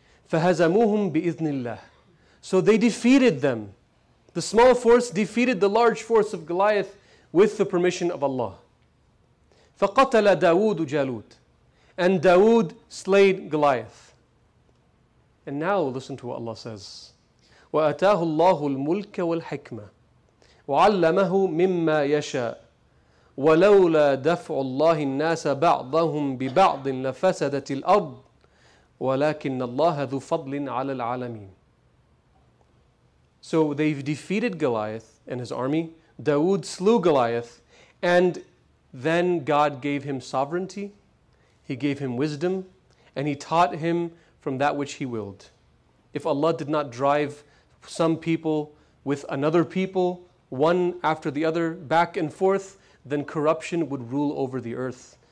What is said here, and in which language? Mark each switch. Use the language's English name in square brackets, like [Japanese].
[Arabic] فَهَزَمُوهُمْ بِإِذْنِ اللَّهِ. [English] So they defeated them. The small force defeated the large force of Goliath with the permission of Allah. [Arabic] فَقَتَلَ دَاوُودُ جَالُوتُ. [English] And Dawood slayed Goliath. And now listen to what Allah says. [Arabic] وَأَتَاهُ اللَّهُ الْمُلْكَ وَالْحِكْمَةِ وَعَلَّمَهُ مِمَّا يَشَاءُ ولولا دفع الله الناس بعضهم ببعض لفسدت الأرض ولكن الله ذو فضل على العالمين. [English] So they've defeated Goliath and his army. Dawood slew Goliath, and then God gave him sovereignty, he gave him wisdom, and he taught him from that which he willed. If Allah did not drive some people with another people, one after the other, back and forth, then corruption would rule over the earth.